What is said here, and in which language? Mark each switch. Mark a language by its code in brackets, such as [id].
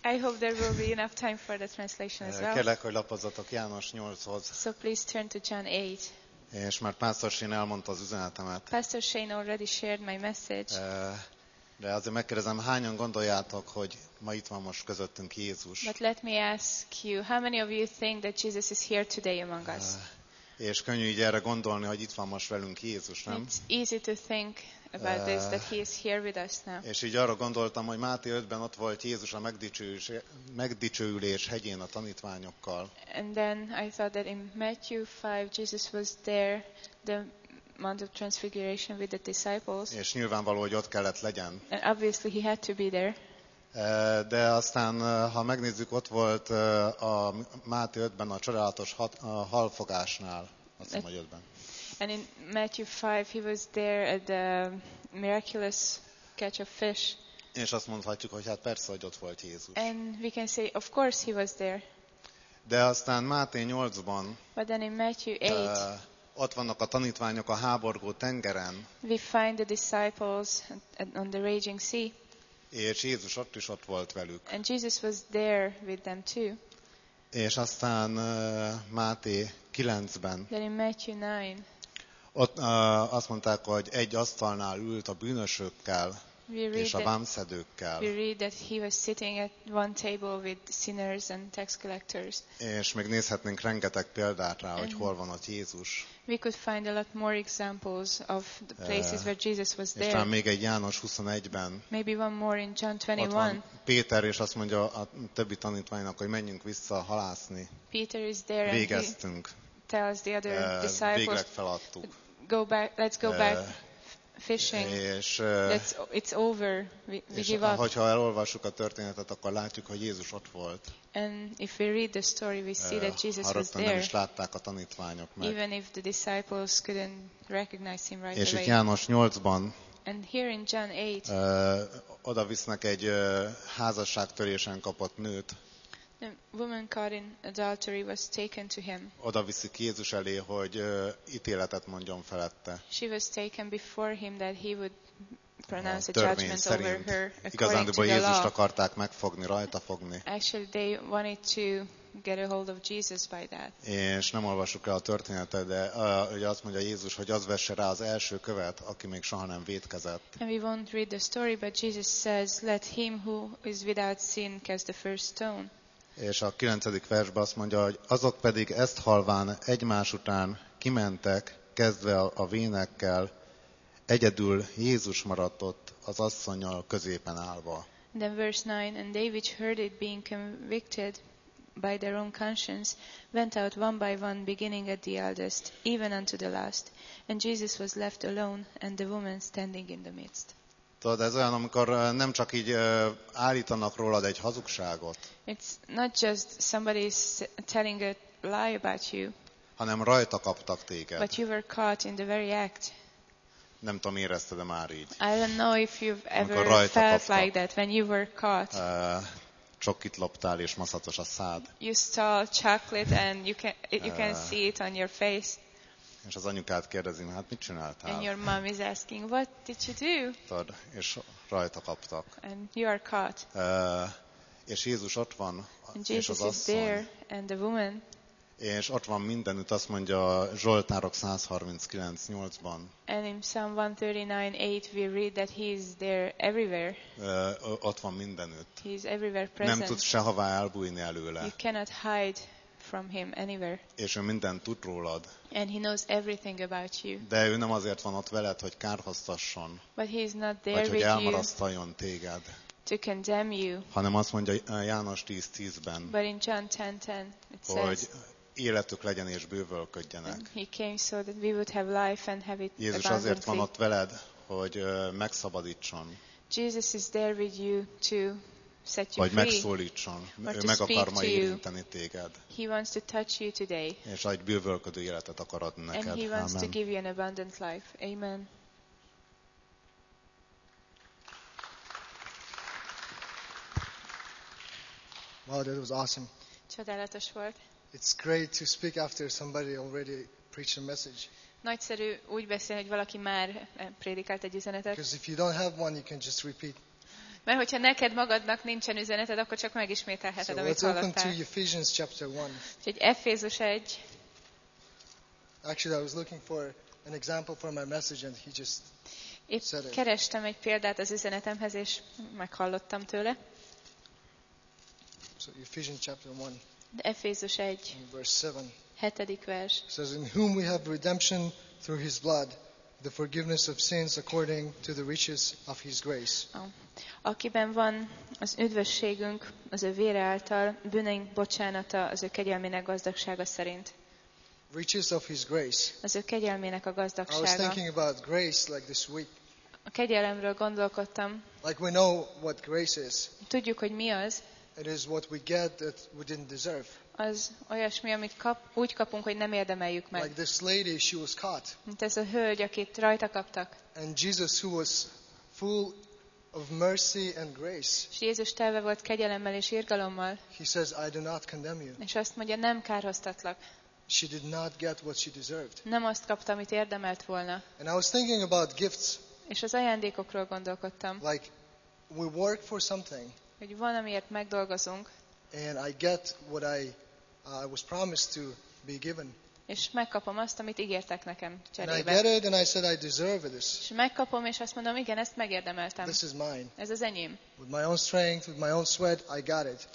[en] I hope there will be enough time for the translation as well. [hu] Kérlek, hogy lapozzatok János 8-hoz. [en] So please turn to John 8. [hu] És már Pastor Shane elmondta az üzenetemet. [en] Pastor Shane already shared my message. [hu] De azért megkérdezem, hányan gondoljátok, hogy ma itt van most közöttünk Jézus? [en] But let me ask you, how many of you think that Jesus is here today among us? [hu] És könnyű így erre gondolni, hogy itt van most velünk Jézus, nem? [en] It's easy to think about this, that he is here with us now. [hu] És így arra gondoltam, hogy Máté 5-ben ott volt Jézus a megdicsőülés hegyén a tanítványokkal. [en] And then I thought that in Matthew 5, Jesus was there, the Mount of Transfiguration with the disciples. [hu] És nyilvánvaló, hogy ott kellett legyen. [en] And obviously he had to be there. [hu] De aztán, ha megnézzük, ott volt a Máté 5-ben a csodálatos halfogásnál, azt hiszem, hogy 5-ben. [en] And in Matthew 5, he was there at the miraculous catch of fish. [hu] És azt mondhatjuk, hogy hát persze, hogy ott volt Jézus. [en] And we can say, of course he was there. [hu] De aztán Máté 8-ban, [en] but then in Matthew 8, [hu] ott vannak a tanítványok a háborgó tengeren. [en] We find the disciples on the raging sea. [hu] És Jézus ott is ott volt velük. [en] And Jesus was there with them too. [hu] És aztán Máté 9-ben. [en] Then in Matthew 9. [hu] Ott azt mondták, hogy egy asztalnál ült a bűnösökkel és a vámszedőkkel. [en] We read that he was sitting at one table with sinners and tax collectors. [hu] És még nézhetnénk rengeteg példát rá, hogy hol van ott Jézus. [en] We could find a lot more examples of the places where Jesus was there. [hu] És talán még egy János 21-ben. [en] Maybe one more in John 21. [hu] Ott van Péter, és azt mondja a többi tanítványnak, hogy menjünk vissza halászni. [en] Peter is there. [hu] Végeztünk. [en] And he tells the other disciples. [hu] Végleg feladtuk. [en] Go back. Let's go back. Fishing. [hu] És [en] it's over. [hu] És hogyha elolvassuk a történetet, akkor látjuk, hogy Jézus ott volt. [en] And if we read the story, we see that Jesus was there. [hu] Nem is látták a tanítványok meg. [en] Even if the disciples couldn't recognize him right [hu] és [en] away. [hu] És János 8-ban. [en] And here in John 8. [hu] Oda visznek egy házasságtörésen kapott nőt. [en] The woman caught in adultery was taken to him. [hu] Oda viszik Jézus elé, hogy ítéletet mondjon felette. [en] She was taken before him that he would pronounce a judgment over her according to the law. [hu] Jézust akarták megfogni, rajta fogni. [en] Actually, they wanted to get a hold of Jesus by that. [hu] És nem olvassuk el a történetet, de ugye azt mondja Jézus, hogy az vesse rá az első követ, aki még soha nem vétkezett. [en] And we won't read the story, but Jesus says, let him who is without sin cast the first stone. [hu] És a 9. versben azt mondja, hogy azok pedig ezt halván egymás után kimentek, kezdve a vénekkel, egyedül Jézus maradt ott az asszonnyal középen állva. [en] Then verse 9, and they which heard it being convicted by their own conscience, went out one by one, beginning at the eldest, even unto the last, and Jesus was left alone, and the woman standing in the midst. [hu] Tudod, ez olyan, amikor nem csak így állítanak rólad egy hazugságot. [en] It's not just somebody telling a lie about you. [hu] Hanem rajta kaptak téged. [en] But you were caught in the very act. [hu] Nem tudom, érezted-e már így. [en] I don't know if you've ever felt [hu] kaptak. [en] Like that when you were caught. [hu] Csokit loptál és maszatos a szád. [en] You stole chocolate and you can see it on your face. [hu] És az anyukát kérdezi, hát mit csináltál? [en] And your mom is asking, what did you do? [hu] Tad, és rajta kaptak. [en] And you are caught. [hu] És Jézus ott van, [en] and Jesus [hu] és az [en] is [hu] asszony. [en] There, and the woman. [hu] És ott van mindenütt, azt mondja Zsoltárok 139:8-ban. [en] And in Psalm 139:8 we read that he is there everywhere. [hu] Ott van mindenütt. [en] He is everywhere present. [hu] Nem tud sehová elbújni előle. [en] You cannot hide from him anywhere. [hu] És ő mindent tud rólad. [en] And he knows everything about you. [hu] De ő nem azért van ott veled, hogy kárhoztasson. [en] But he is not there with you. [hu] Vagy hogy elmarasztaljon téged. [en] To condemn you. [hu] Hanem azt mondja János 10:10-ben. [en] But in John 10:10 it says. [hu] Hogy életük legyen és bővölködjenek. [en] He came so that we would have life and have it abundantly. [hu] Jézus azért van ott veled, hogy megszabadítson. [en] Jesus is there with you to set you [hu] vagy [en] free, [hu] megszólítson, ő meg akar ma érinteni téged. [en] He wants to touch you today. [hu] És egy bővölködő életet akar adni [en] and [hu] neked. [en] He wants Amen. To give you an abundant life. Amen. Wow, that was awesome. [hu] Csodálatos volt. [en] It's great to speak after somebody already preached a message. [hu] nagyszerű úgy beszélni, hogy valaki már prédikált egy üzenetet. [en] Because if you don't have one, you can just repeat. [hu] Mert hogyha neked magadnak nincsen üzeneted, akkor csak megismételheted, amit hallottál. [en] So let's open to Ephesians chapter 1. [hu] Úgyhogy Efézus 1. [en] Actually, I was looking for an example for my message, and he just épp said it. [hu] Kerestem egy példát az üzenetemhez, és meghallottam tőle. [en] So Ephesians chapter 1. [hu] Efézus 1. [en] Verse 7. It says, in whom we have redemption through his blood, the forgiveness of sins according to the riches of his grace. [hu] Akiben van az üdvösségünk az ő vére által, bűneink bocsánata az ő kegyelmének gazdagsága szerint. [en] Riches of his grace. [hu] Az ő kegyelmének a gazdagsága. [en] I was thinking about grace like this week. [hu] A kegyelemről gondolkodtam. [en] Like we know what grace is. [hu] Tudjuk, hogy mi az. [en] It is what we get that we didn't deserve. [hu] Az olyasmi, amit úgy kapunk, hogy nem érdemeljük meg. [en] Like this lady, she was caught. [hu] Mint ez a hölgy, akit rajta kaptak. [en] And Jesus, who was full of mercy and grace. [hu] És Jézus telve volt kegyelemmel és irgalommal. [en] He says, I do not condemn you. [hu] És azt mondja, nem kárhoztatlak. [en] She did not get what she deserved. [hu] Nem azt kapta, amit érdemelt volna. [en] And I was thinking about gifts. [hu] És az ajándékokról gondolkodtam. [en] Like we work for something. [hu] Hogy valamiért megdolgozunk. [en] And I get what I was promised to be given. [hu] És megkapom azt, amit ígértek nekem cserébe. [en] And I get it, and I said I deserve this. [hu] És megkapom, és azt mondom, igen, ezt megérdemeltem. [en] This is mine. [hu] Ez az enyém. [en] With my own strength, with my own sweat, I got it.